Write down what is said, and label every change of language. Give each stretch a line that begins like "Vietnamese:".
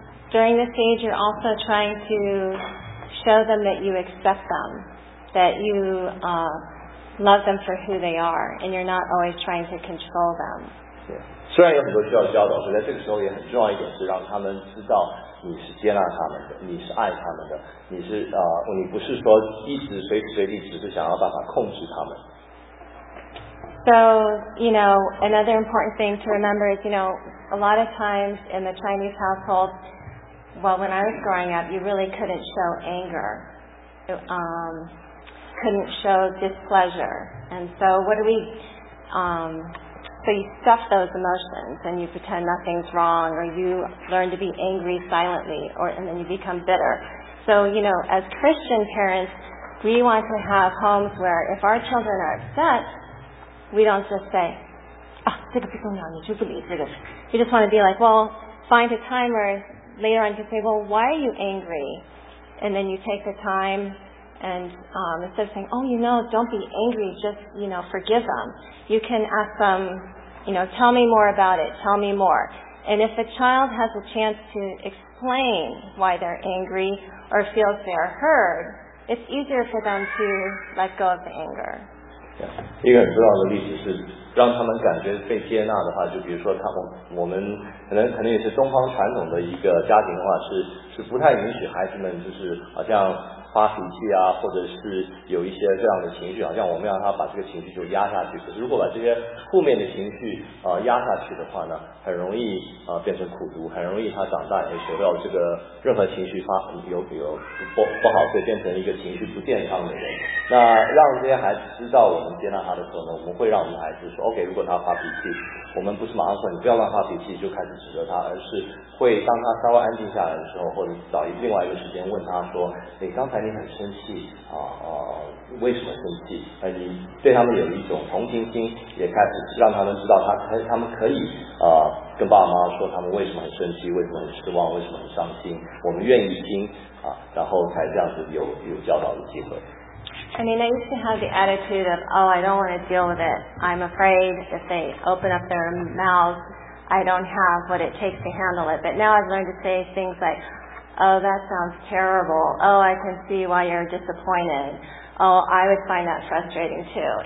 English: During this stage, you're also trying to show them that you accept them, that you love them for who they are, and you're not always trying to control them. Yeah.
Chinese: 虽然有很多需要教导，所以在这个时候也很重要一点是让他们知道你是接纳他们的，你是爱他们的，你是你不是说一直随时随地只是想要办法控制他们。
English: So, you know, another important thing to remember is, you know, a lot of times in the Chinese household, well, when I was growing up, you really couldn't show anger, couldn't show displeasure. And so what do we... So you stuff those emotions and you pretend nothing's wrong, or you learn to be angry silently, and then you become bitter. So, you know, as Christian parents, we want to have homes where if our children are upset, we don't just say, ah,
Chinese: 这个不重要，你就不理这个。
English: We just want to be like, well, find a time where later on you can say, well, why are you angry? And then you take the time... And instead of saying, oh, you know, don't be angry, just, you know, forgive them. You can ask them, you know, tell me more about it, tell me more. And if a child has a chance to explain why they're angry or feels they're heard, it's easier for them to let go of the anger. Yeah.
Chinese: 一个很重要的例子是让他们感觉被接纳的话，就比如说我们可能也是东方传统的一个家庭的话，是不太允许孩子们就是好像发脾气啊，或者是有一些这样的情绪，好像我们要他把这个情绪就压下去。可是如果把这些负面的情绪压下去的话呢，很容易变成苦毒，很容易他长大也学到这个任何情绪发有不好，会变成一个情绪不健康的人。那让这些孩子知道我们接纳他的时候呢，我们会让我们孩子说 OK， 如果他发脾气，我们不是马上说你不要乱发脾气就开始指责他，而是会当他稍微安静下来的时候，或者找另外一个时间问他说，你刚才你很生气啊啊，为什么生气？你对他们有一种同情心，也开始让他们知道他们可以啊跟爸爸妈妈说他们为什么很生气，为什么很失望，为什么很伤心。我们愿意听啊，然后才这样子有教导的机会。
English: I mean, I used to have the attitude of, oh, I don't want to deal with it. I'm afraid if they open up their mouths, I don't have what it takes to handle it. But now I've learned to say things like, oh, that sounds terrible. Oh, I can see why you're disappointed. Oh, I would find that frustrating too.